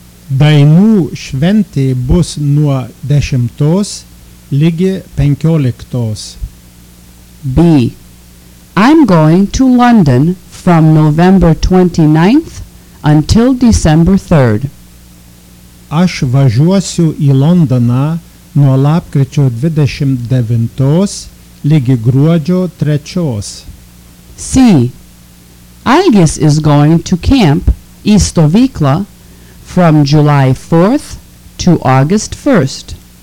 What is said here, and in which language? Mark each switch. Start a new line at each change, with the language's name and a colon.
Lithuanian: Dainų Šventė bus nuo 10 ligi 15. B.
English: I'm going to London from November 29th until December 3rd.
Lithuanian: Aš važiuosiu į Londoną nuo lapkričio 29 ligi gruodžio 3.
English: C. Algis is going to camp
Lithuanian: į stovyklą
English: from July 4th to August 1st.